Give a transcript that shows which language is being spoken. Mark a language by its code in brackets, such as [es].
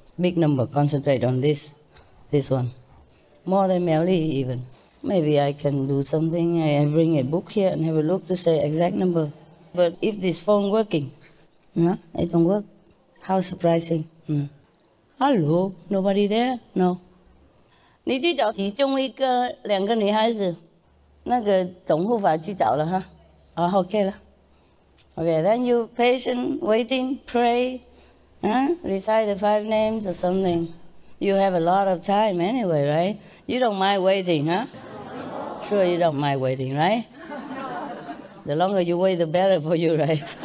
[en] Big number concentrate on this one. More than Meli even. Maybe I can do something. I bring a book here and have a look to say exact number. But if this phone working, no, it don't work. How surprising. Hello, nobody there? No. [zh] 你去找其中一个两个女孩子。那个总护法去找了哈。 [en] Oh, okay 了。 Okay, then you patient, waiting, pray, recite the five names or something. You have a lot of time anyway, right? You don't mind waiting, huh? Sure you don't mind waiting, right? The longer you wait, the better for you, right?